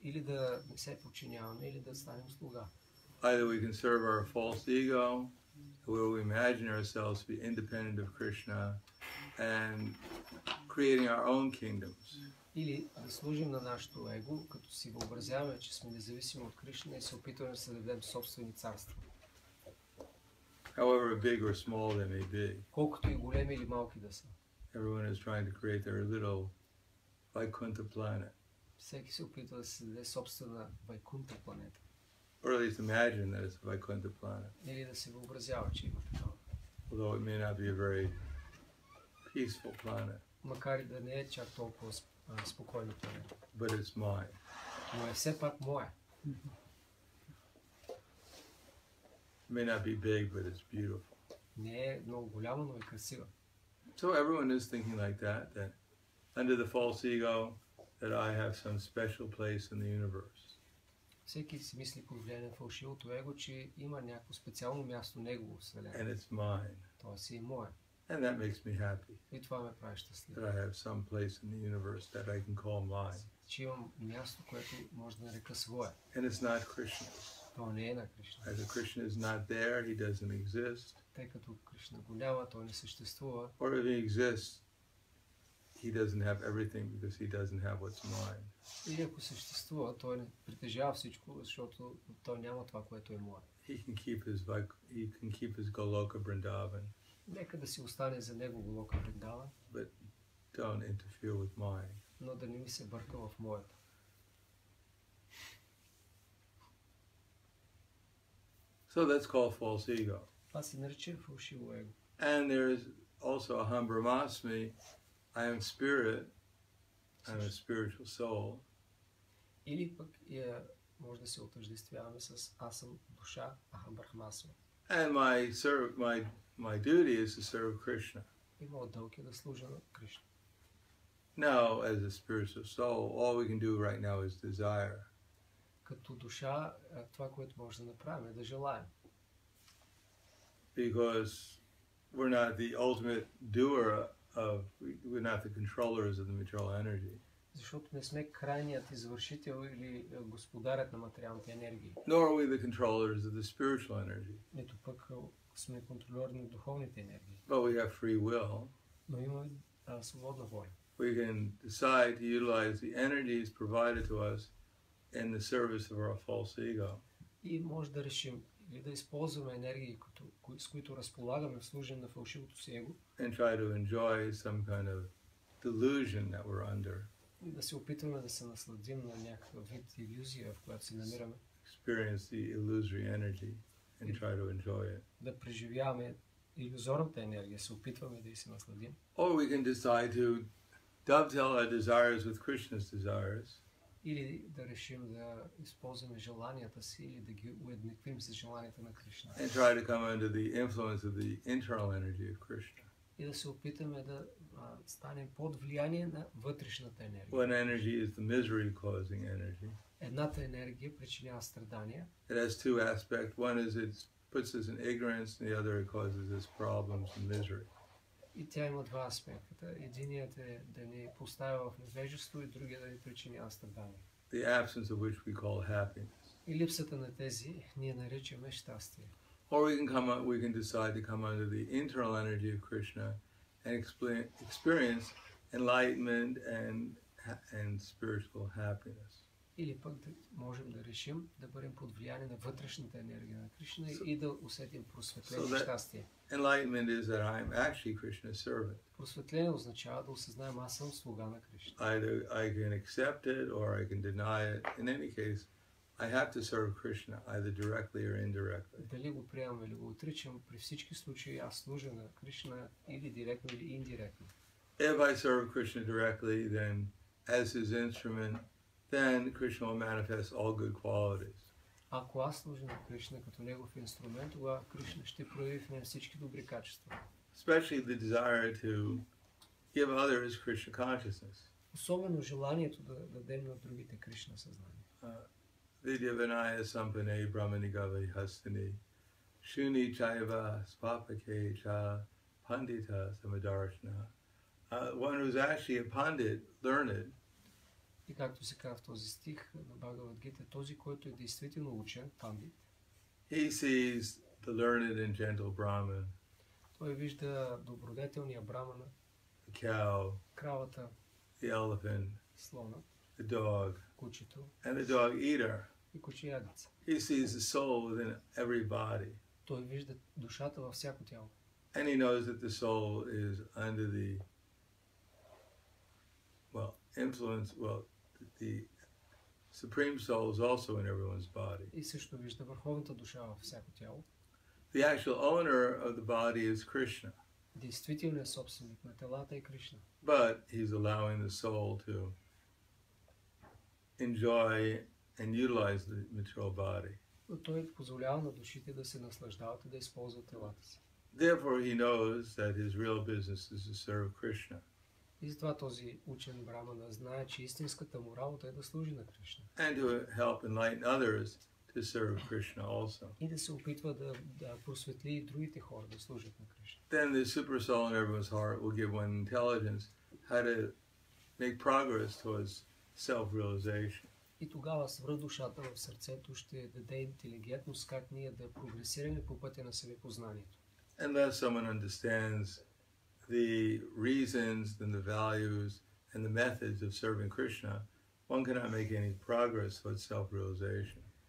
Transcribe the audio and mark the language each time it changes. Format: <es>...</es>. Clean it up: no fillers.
<bg>Или да не се подчиняваме, или да станем слуга.</bg> <en>Either we can serve our false ego, where we imagine ourselves to be independent of Krishna and creating our own kingdoms.</en> <bg>Или да служим на нашето его, като си въобразяваме, че сме независими от Кришна и се опитваме да създадем собствени царства.</bg> <en>However big or small they may be.</en> <bg>Колкото и големи или малки да са.</bg> <en>Everyone is trying to create their little Vaikuntha planet.</en> <bg>Всеки се опитва да създаде собствена Вайкунта планета.</bg> <en>Or at least imagine that it's a Vaikuntha planet.</en> <bg>Или да се въобразява, че има такова.</bg> <en>Although it may not be a very peaceful planet.</en> <bg>Макар и да не е чак толкова спокойна планета.</bg> <en>But it's mine.</en> <bg>Но е все пак моя.</bg> <en>It may not be big, but it's beautiful.</en> <bg>Не е много голяма, но е красива.</bg> <en>So everyone is thinking like that, that under the false ego, that I have some special place in the universe.</en> <bg>Всеки си мисли под влияние на фалшивото его, че има някакво специално място негово вселено.</bg> <en>And it's mine.</en> <bg>Това си е мое.</bg> <en>And that makes me happy.</en> <bg>И това ме прави щастлив.</bg> <en>That I have some place in the universe that I can call mine.</en> <bg>Че имам място, което може да нарека свое.</bg> <en>And it's not Krishna's.</en> <bg>Това не е на Кришна.</bg> <en>As a Krishna is not there, he doesn't exist.</en> <bg>Тъй като Кришна го няма, той не съществува.</bg> <en>Or if he exists, he doesn't have everything because he doesn't have what's mine.</en> <bg>Или ако съществува, той не притежава всичко, защото той няма това, което е мое.</bg> <en>He can keep his Goloka Vrindavan.</en> <bg>Нека да си остане за него Голока Вриндаван.</bg> <en>But don't interfere with mine.</en> <bg>Но да не ми се бърка в моето.</bg> <en>So that's called false ego.</en> <bg>Това се нарича фалшиво его.</bg> <en>And there is also</en> <sa>Aham Brahmasmi.</sa> <en>I am spirit. I'm a spiritual soul.</en> <bg>Или пък може да се отъждествяваме с аз съм душа,</bg> <sa>Aham Brahmasmi.</sa> <en>And my duty is to serve Krishna.</en> <bg>И моят дълг е да служа на Кришна.</bg> <en>Now, as a spiritual soul, all we can do right now is desire.</en> <bg>Като душа, това, което може да направим, е да желаем.</bg> <en>Because we're not the ultimate doer of, we're not the controllers of the material energy.</en> <bg>Защото не сме крайният извършител или господарят на материалните енергии.</bg> <en>Nor are we the controllers of the spiritual energy.</en> <bg>Нито пък сме контролери на духовните енергии.</bg> <en>But we have free will.</en> <bg>Но имаме свободна воля.</bg> <en>We can decide to utilize the energies provided to us in the service of our false ego.</en> <bg>И може да решим или да използваме енергии, с които разполагаме в служене на фалшивото си его.</bg> <en>And try to enjoy some kind of delusion that we're under.</en> <bg>И да се опитваме да се насладим на някаква вид иллюзия, в която се намираме.</bg> <en>Experience the illusory energy and try to enjoy it.</en> <bg>Да преживяваме иллюзорната енергия, се опитваме да и се насладим.</bg> <en>Or we can decide to dovetail our desires with Krishna's desires.</en> <bg>Или да решим да използваме желанията си или да ги уеднаквим с желанията на Кришна.</bg> <en>And try to come under the influence of the internal energy of Krishna.</en> <bg>И да се опитаме да станем под влияние на вътрешната енергия.</bg> <en>One energy is the misery causing energy.</en> <bg>Едната енергия причинява страдания.</bg> <en>It has two aspects. One is it puts us in ignorance, and the other it causes us problems and misery.</en> <bg>И тя има два аспекта. Единият е да ни поставя в невежество и другият да ни причинява страдания.</bg> <en>The absence of which we call happiness.</en> <bg>И липсата на тези ние наричаме щастие.</bg> <en>Or we can decide to come under the internal energy of Krishna and experience enlightenment and spiritual happiness.</en> <bg>Или пък да можем да решим да бъдем под влияние на вътрешната енергия на Кришна и да усетим просветление и щастие.</bg> <en>Enlightenment is that I am actually Krishna's servant.</en> <bg>Просветление означава да осъзнаем аз съм слуга на Кришна.</bg> <en>Either I can accept it or I can deny it. In any case, I have to serve Krishna either directly or indirectly.</en> <bg>Дали го приемам или го отричам, при всички случаи аз служа на Кришна или директно или индиректно.</bg> <en>If I serve Krishna directly, then as his instrument, then Krishna will manifest all good qualities.</en> <bg>Ако аз служа на Кришна като негов инструмент, тогава Кришна ще прояви в мен всички добри качества.</bg> <en>Especially the desire to give others Krishna consciousness.</en> <bg>Особено желанието да дадем на другите Кришна съзнание.</bg> <sa>Vidyavanaya sampane brahmanigave hastane shuni chayava svapake cha pandita samadarshana.</sa> <en>One who is actually a pandit, learned.</en> <bg>И както се казва в този стих на Бхагавад Гита, този, който е действително учен, пандит,</bg> <en>he sees the learned and gentle Brahman.</en> <bg>Той вижда добродетелния брамана,</bg> <en>the cow,</en> <bg>кравата,</bg> <en>the elephant,</en> <bg>слона,</bg> <en>the dog,</en> <bg>кучето,</bg> <en>and the dog eater.</en> <bg>И кучеядеца.</bg> <en>He sees the soul within every body.</en> <bg>Той вижда душата във всяко тяло.</bg> <en>And he knows that the soul is under the influence, well, the Supreme Soul is also in everyone's body.</en> <bg>И също вижда върховната душа във всяко тяло.</bg> <en>The actual owner of the body is Krishna.</en> <bg>Действителният собственик на телата е Кришна.</bg> <en>But he's allowing the soul to enjoy and utilize the material body.</en> <bg>Но той позволява на душите да се наслаждават и да използват телата си.</bg> <en>Therefore he knows that his real business is to serve Krishna.</en> <bg>И затова този учен брамана знае, че истинската му работа е да служи на Кришна.</bg> <en>And to help enlighten others to serve Krishna also.</en> <bg>И да се опитва да просветли и другите хора да служат на Кришна.</bg> <en>Then the super soul in everyone's heart will give one intelligence how to make progress towards self-realization.</en> <bg>И тогава свръхдушата в сърцето ще даде интелигентност как ние да прогресираме по пътя на себепознанието.</bg> <en>Unless someone understands the reasons and the values and the methods of serving Krishna, one cannot make any progress towards self-realization.</en>